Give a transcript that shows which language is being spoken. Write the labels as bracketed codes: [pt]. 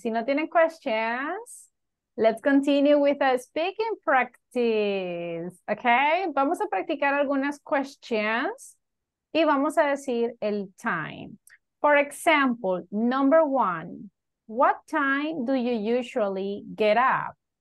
[en] Si no tienen questions, let's continue with a speaking practice. [es] Okay, vamos a practicar algunas questions y vamos a decir el time. [en] For example, number one, what time do you usually get up?